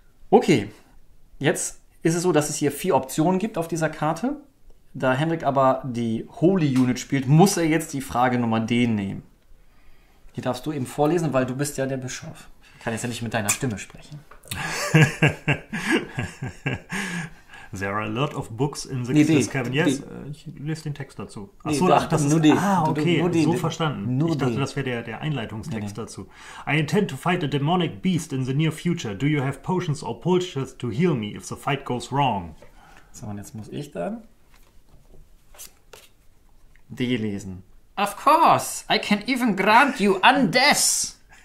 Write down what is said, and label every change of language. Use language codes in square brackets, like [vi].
[de] Okay, jetzt ist es so, dass es hier 4 Optionen gibt auf dieser Karte. Da Hendrik aber die Holy Unit spielt, muss er jetzt die Frage Nummer D nehmen. Die darfst du eben vorlesen, weil du bist ja der Bischof. Ich kann jetzt ja nicht mit deiner Stimme sprechen. [en] There are a lot of books in the Christmas Cabin. [de] Yes, ich lese den Text dazu. Achso, nee, ach, das nur ist... Ah, okay, nur so verstanden. Nur ich dachte, das wäre der Einleitungstext dazu. [en] I intend to fight a demonic beast in the near future. Do you have potions or poultices to heal me if the fight goes wrong? [de] So, und jetzt muss ich dann... die lesen. [en] Of course, I can even grant you undeath.